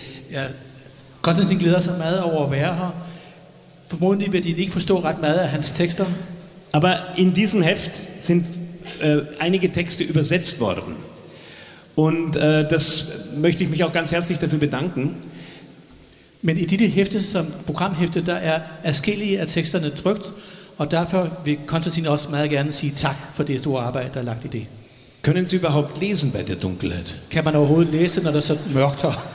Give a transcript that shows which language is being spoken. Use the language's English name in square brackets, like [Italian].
[Danish] Ja, Konstantin glæder sig meget over at være her. [German] Vermutlich wird ihn nicht verstehen, [Danish] ret meget af hans [German] Texter. Aber in diesem Heft sind einige Texte übersetzt worden. Und das möchte ich mich auch ganz herzlich dafür bedanken. [Danish] Men i dette hæfte, som programhæfte, der er adskillige af teksterne trykt, og derfor vil Konstantin også meget gerne sige tak for det store arbejde, der er lagt i det. [German] Können Sie überhaupt lesen bei der Dunkelheit? [Danish] Kan man overhovedet læse, når det er så mørkt her?